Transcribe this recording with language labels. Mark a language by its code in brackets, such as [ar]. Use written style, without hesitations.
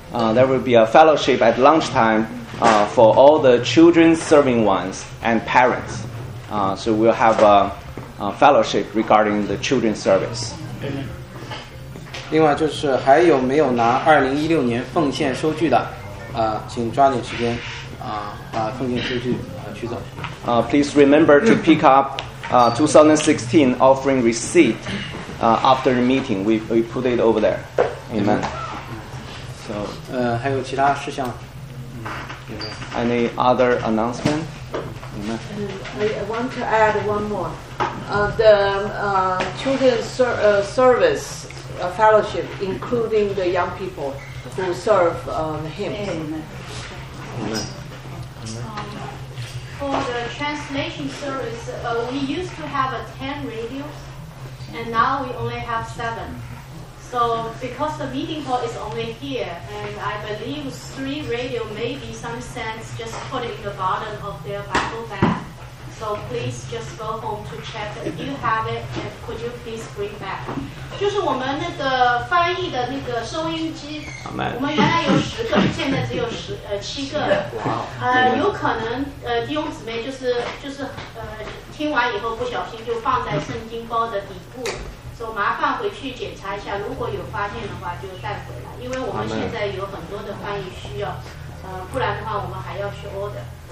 [en] There will be a fellowship at lunchtime, for all the children serving ones and parents. So we'll have a fellowship regarding the children's service. [zh] 另外就是还有没有拿2016年奉献收据的，请抓紧时间，奉献收据取走。 [en] Please remember to pick up 2016 offering receipt after the meeting. We put it over there. Amen. Amen. [zh] So, 还有其他事项？ [en] Any other announcement? I want to add one more. The children's service fellowship, including the young people who serve him. For the translation service, we used to have 10 radios. and now we only have 7. So because the meeting hall is only here, and I believe 3 radio may be some sense just put in the bottom of their Bible bag. So please just go home to check if you have it, and could you please bring back? [zh] 就是我们那个翻译的那个收音机，我们原来有10个，现在只有7个。有可能弟兄姊妹就是听完以后不小心就放在圣经包的底部。 So, 麻烦回去检查一下，如果有发现的话就带回来，因为我们现在有很多的翻译需要，不然的话我们还要去 order。